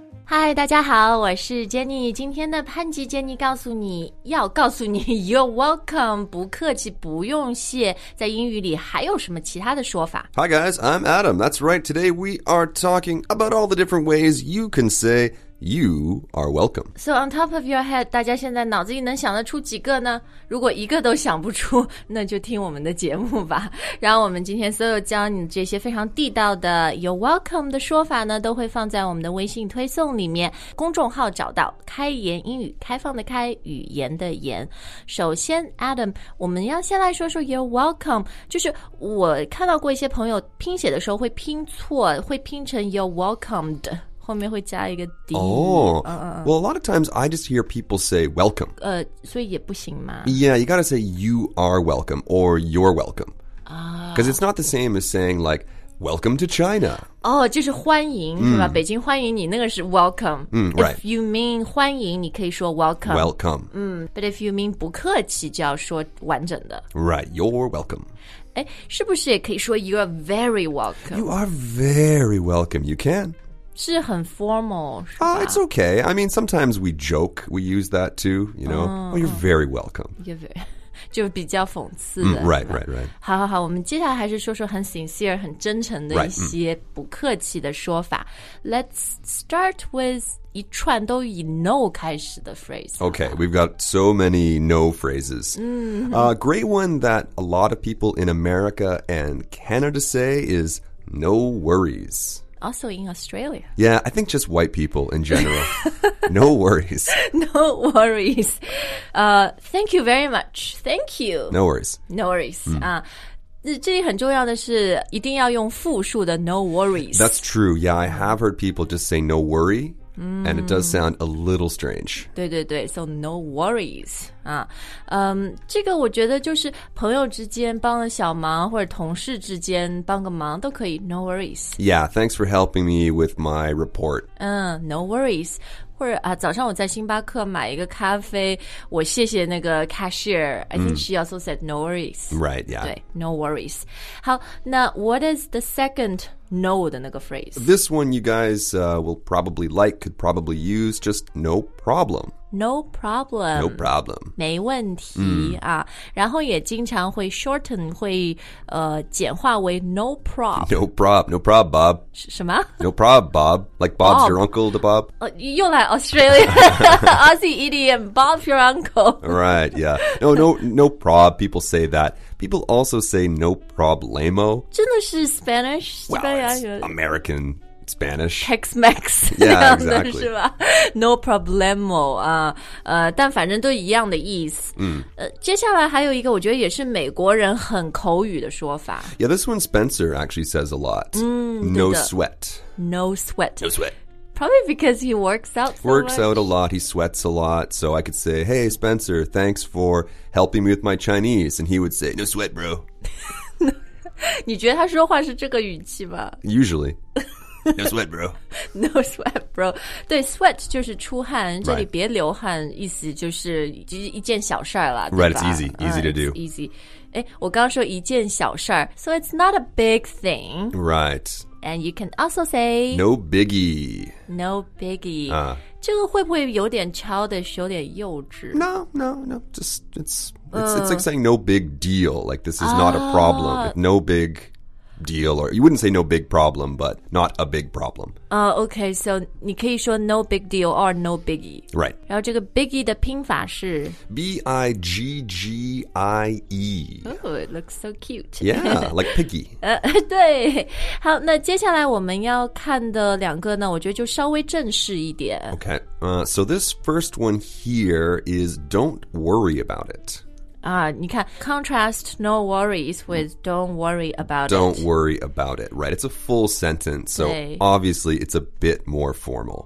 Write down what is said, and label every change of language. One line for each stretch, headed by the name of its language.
Chinese: 嗨，大家好，我是 Jenny。今天的潘吉 Jenny 告诉你 ，
English: You're welcome，
Chinese: 不客气，不用谢。在英语里还有什么其他的说法
English: ？Hi guys, I'm Adam. That's right. Today we are talking about all the different ways you can say you are welcome. So on top of your head,
Chinese: 大家现在脑子里能想得出几个呢？如果一个都想不出，那就听我们的节目吧。然后我们今天所有教你这些非常地道的
English: You're welcome
Chinese: 的说法呢，都会放在我们的微信推送里面，公众号找到开言英语，开放的开，语言的言。首先 Adam， 我们要先来说说
English: You're welcome，
Chinese: 就是我看到过一些朋友拼写的时候会拼错，会拼成
English: You're welcomed，
Chinese: 后面会加一个 D。
English: Well, a lot of times I just hear people say welcome.
Chinese: 所以也不行嘛。
English: Yeah, you gotta say you are welcome or you're welcome. Because it's not the same as saying like, welcome to China.
Chinese: 就是欢迎是吧？北京欢迎你，那个是 welcome.
English: Right. If you mean
Chinese: 欢迎，你可以说
English: welcome. Welcome. But if you mean
Chinese: 不客气，就要说完整的。
English: Right, you're welcome.
Chinese: 是不是也可以说
English: you are very welcome? You are very welcome, you can.
Chinese: 是很 formal, 是吧?
English: It's okay. I mean, sometimes we joke. We use that too, you know. Oh, you're very welcome. You're very,
Chinese: 就比较讽刺的。
English: Right, right, right.
Chinese: 好好好，我们接下来还是说说很 sincere, 很真诚的一些
English: right,
Chinese: 不客气的说法。
English: Let's start with
Chinese: 一串都以
English: no 开始的 phrase. Okay, we've got so many no phrases. A great one that a lot of people in America and Canada say is no worries. Also in Australia. Yeah, I think just white people in general. No worries. No worries. Thank you very much. Thank you. No worries. No worries.
Chinese: 这里很重要的是一定要用复数的 no worries.
English: That's true. Yeah, I have heard people just say no worry. And it does sound a little strange.
Chinese: 对对对
English: so no worries.
Chinese: 这个我觉得就是朋友之间帮了小忙或者同事之间帮个忙都可以 no worries.
English: Yeah, thanks for helping me with my report. No worries.
Chinese: 或者早上我在星巴克买一个咖啡我谢谢那个 cashier.
English: I think she also said no worries. Right, yeah.
Chinese: 对 no worries. 好那
English: what is the second no
Chinese: 的那个
English: phrase? This one you guys will probably like, could probably use, just no problem. No problem. No problem.
Chinese: 没问题、然后也经常会 shorten, 会简化为 no prob.
English: No prob, no prob, Bob.
Chinese: 什么
English: No prob, Bob. Like Bob's Bob. Your uncle, the Bob.
Chinese: 又来 Australia.
English: Aussie idiom, Bob's your uncle. Right, yeah. No prob, people say that. People also say no problemo.
Chinese: 真的是 Spanish?
English: Well, it's American. Spanish. Tex-Mex. Yeah, exactly.
Chinese: 是吧 No problemo. 但反正都一样的意思。接下来还有一个我觉得也是美国人很口语的说法。
English: Yeah, this one Spencer actually says a lot. No sweat. No sweat. No sweat. Probably because he works out so works much. Out a lot. He sweats a lot. So I could say, hey, Spencer, thanks for helping me with my Chinese. And he would say, no sweat, bro.
Chinese: 你觉得他说话是这个语气吗
English: Usually. No sweat, bro. No sweat, bro.
Chinese: 对 ，sweat 就是出汗，这里别流汗，意思就是一件小事儿了。
English: Right, it's easy to do. Easy.
Chinese: 哎，我刚刚说一件小事儿 ，
English: so it's not a big thing. Right. And you can also say no biggie. No biggie.
Chinese: 这个会不会有点 childish, 有点幼稚
English: ？No. Just it's like saying no big deal. Like this is not a problem. No big. Deal or you wouldn't say no big problem, but not a big problem. Okay, so
Chinese: 你可以说
English: no big deal or no biggie. Right.
Chinese: 然后这个 biggie 的拼法是
English: biggie. Oh, it looks so cute. Yeah, like piggy.
Chinese: 对。好，那接下来我们要看的两个呢，我觉得就稍微正式一点。
English: Okay. So this first one here is don't worry about it.
Chinese: 你看
English: contrast no worries with don't worry about it. Don't worry about it, right? It's a full sentence, so obviously it's a bit more formal.